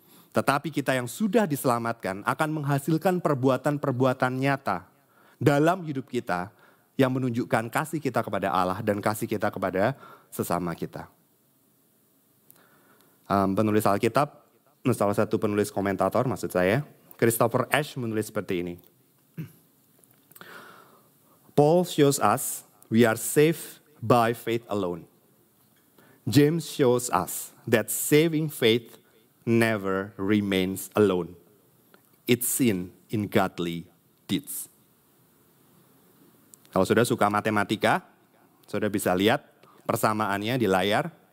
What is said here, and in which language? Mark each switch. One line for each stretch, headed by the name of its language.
Indonesian: Tetapi kita yang sudah diselamatkan akan menghasilkan perbuatan-perbuatan nyata dalam hidup kita yang menunjukkan kasih kita kepada Allah dan kasih kita kepada sesama kita. Penulis Alkitab, salah satu penulis komentator maksud saya, Christopher Ashe menulis seperti ini.
English: Paul shows us we are saved by faith alone. James shows us that saving faith never remains alone. It's seen in godly deeds.
Indonesian: Kalau sudah suka matematika, sudah bisa lihat persamaannya di layar.